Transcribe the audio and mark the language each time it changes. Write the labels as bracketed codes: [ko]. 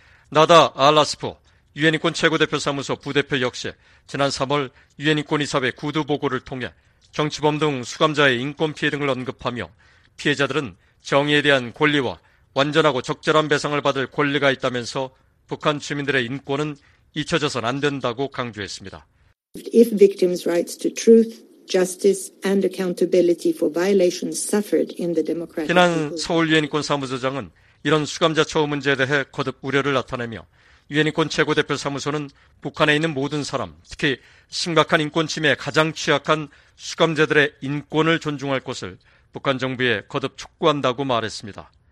[ko] 나다 알라스포 유엔인권 최고대표사무소 부대표 역시 지난 3월 유엔인권이사회 구두보고를 통해 정치범 등 수감자의 인권 피해 등을 언급하며 피해자들은 정의에 대한 권리와 완전하고 적절한 배상을 받을 권리가 있다면서 북한 주민들의 인권은 잊혀져선 안 된다고 강조했습니다. [en] If victims' rights to truth, justice and accountability for violations suffered in the democratic [ko] 지난 서울 유엔인권 사무소장은 이런 수감자 처우 문제에 대해 거듭 우려를 나타내며 유엔인권 최고대표사무소는 북한에 있는 모든 사람, 특히 심각한 인권 침해에 가장 취약한 수감자들의 인권을 존중할 것을 북한 정부에 거듭 촉구한다고 말했습니다.